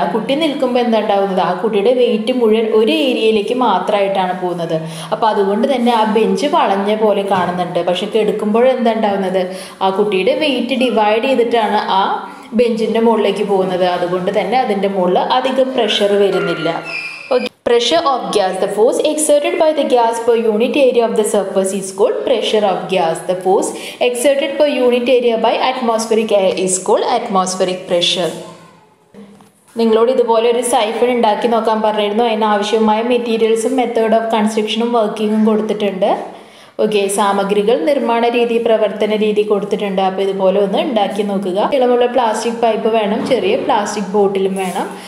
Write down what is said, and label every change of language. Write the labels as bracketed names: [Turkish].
[Malayalam] ആ കുട്ടി നിൽക്കുമ്പോൾ എന്താണ്ടാവുന്നത്, ആ കുട്ടിയുടെ വെയിറ്റ് മുഴുവൻ ഒരു ഏരിയയിലേക്ക് മാത്രമായിട്ടാണ് പോകുന്നത്. അപ്പോൾ അതുകൊണ്ട് തന്നെ ആ ബെഞ്ച് വളഞ്ഞ പോലെ കാണുന്നുണ്ട്. പക്ഷേ കിടക്കുമ്പോൾ എന്താണ്ടാവുന്നത്, ആ കുട്ടിയുടെ വെയിറ്റ് ഡിവൈഡ് ചെയ്തിട്ടാണ് ആ ബെഞ്ചിൻ്റെ മുകളിലേക്ക് പോകുന്നത്. അതുകൊണ്ട് തന്നെ അതിൻ്റെ മുകളിൽ അധികം പ്രഷർ വരുന്നില്ല. [English] Pressure of gas. The force exerted by the gas per unit area of the surface is called pressure of gas. The force exerted per unit area by atmospheric air is called atmospheric pressure. [Malayalam] നിങ്ങളോട് ഇതുപോലെ ഒരു siphon ഉണ്ടാക്കി നോക്കാൻ പറഞ്ഞിരുന്നു. അതിനാവശ്യമായ മെറ്റീരിയൽസും method of കൺസ്ട്രക്ഷനും വർക്കിങ്ങും കൊടുത്തിട്ടുണ്ട്. Okay, സാമഗ്രികൾ, നിർമ്മാണ രീതി, പ്രവർത്തന രീതി കൊടുത്തിട്ടുണ്ട്. അപ്പോൾ ഇതുപോലെ ഒന്ന് ഉണ്ടാക്കി നോക്കുക. ഇളമുള്ള പ്ലാസ്റ്റിക് പൈപ്പ് വേണം, ചെറിയ പ്ലാസ്റ്റിക് ബോട്ടിലും വേണം.